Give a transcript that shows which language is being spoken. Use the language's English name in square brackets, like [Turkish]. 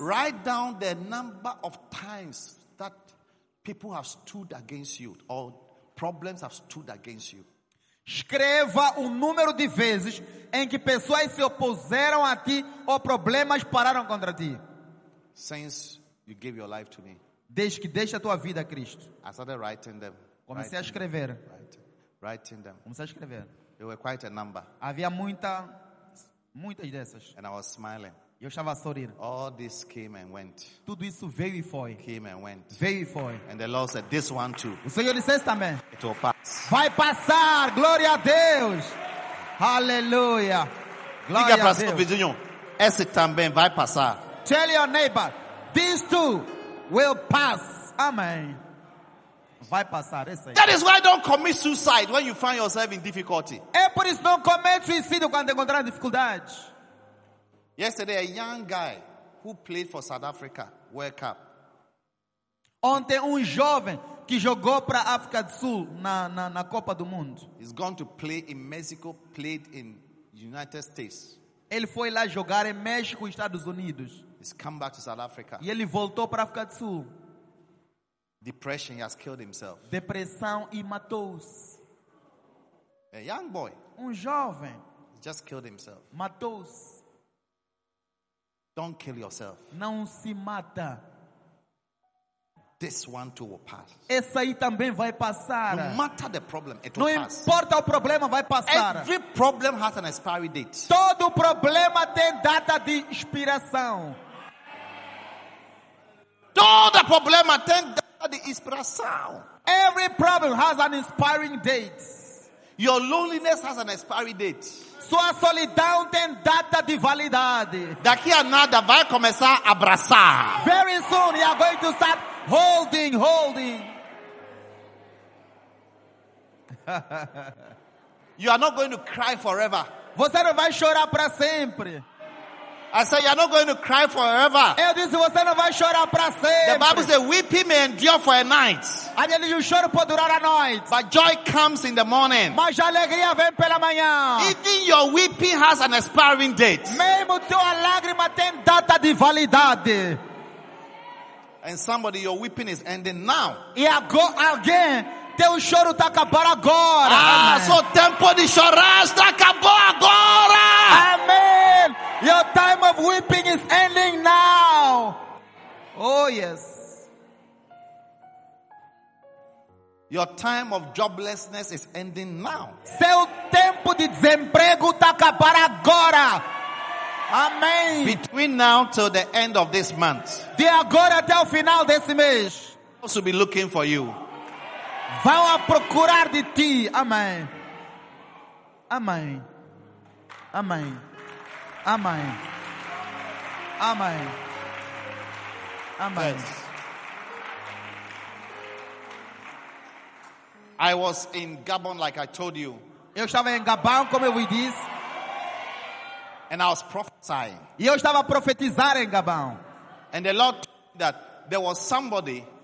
[English] Write down the number of times that people have stood against you or problems have stood against you. [Portuguese] Escreva o número de vezes em que pessoas se opuseram a ti ou problemas pararam contra ti. [English] Since you gave your life to me, [Portuguese] desde que deixa a tua vida a Cristo. [English] I started writing them. [Portuguese] Comecei a escrever. [English] Writing them. [Portuguese] Comecei a escrever. [English] There were quite a number. [Portuguese] Havia muitas dessas. [English] And I was smiling. [Portuguese] Eu estava a sorrir. [English] All this came and went. [Portuguese] Tudo isso veio e foi. [English] Came and went. [Portuguese] Veio e foi. [English] And the Lord said, this one too. [Portuguese] O Senhor disse também. [English] It will pass. [Portuguese] Vai passar. Glória a Deus. Aleluia. Diga para seu vizinho. Esse também vai passar. [English] Tell your neighbor, these two will pass. [Portuguese] Amém. Vai passar. [English] That is why don't commit suicide when you find yourself in difficulty. [Portuguese] É por isso não comete suicídio quando encontrar dificuldade. [English] Yesterday, a young guy who played for South Africa, World Cup. [Portuguese] Ontem, jovem que jogou para a África do Sul na Copa do Mundo. [English] He's gone to play in Mexico, played in United States. [Portuguese] Ele foi lá jogar em México, Estados Unidos. [English] He's come back to South Africa. [Portuguese] E ele voltou para a África do Sul. [English] Depression, he has killed himself. [Portuguese] Depressão e matou-se. [English] A young boy. [Portuguese] Jovem. [English] He just killed himself. [Portuguese] Matou-se. [English] Don't kill yourself. [Portuguese] Não se mata. [English] This one too will pass. [Portuguese] Essa aí também vai passar. [English] No matter the problem, it will pass. [Portuguese] Não importa o problema, vai passar. [English] Every problem has an expiry date. [Portuguese] Todo problema tem data de expiração. Todo problema tem data de expiração. [English] Every problem has an expiring date. Your loneliness has an expiry date. [Portuguese] Sua solidão tem data de validade. Daqui a nada vai começar a abraçar. [English] Very soon you are going to start holding. You are not going to cry forever. [Portuguese] Você não vai chorar para sempre. [English] I said, you're not going to cry forever. [Portuguese] Eu disse, você não vai chorar para sempre. [English] The Bible says, weeping may endure for a night. [Portuguese] A dele, o choro pode durar a noite. [English] But joy comes in the morning. [Portuguese] Mas a alegria vem pela manhã. [English] Even your weeping has an expiring date. [Portuguese] Mesmo tua lágrima tem data de validade. [English] And somebody, your weeping is ending now. [Portuguese] E agora, alguém, teu choro está acabando agora. Ah, seu tempo de chorar está acabou agora. [English] Amen. Your time of weeping is ending now. Oh yes. Your time of joblessness is ending now. [Portuguese] Seu tempo de desemprego está acabando agora. Amém. [English] Between now till the end of this month. [Portuguese] De agora até o final desse mês. [English] Also be looking for you. [Portuguese] Vão a procurar de ti. Amém. Amém. Amém. Amém. Amém. Amém. Yes. [English] I was in Gabon, like I told you. [Portuguese] Eu estava em Gabão, como eu disse. [English] And I was prophesying. [Portuguese] E eu estava a profetizar em Gabão. [English] And the Lord told me that there was somebody.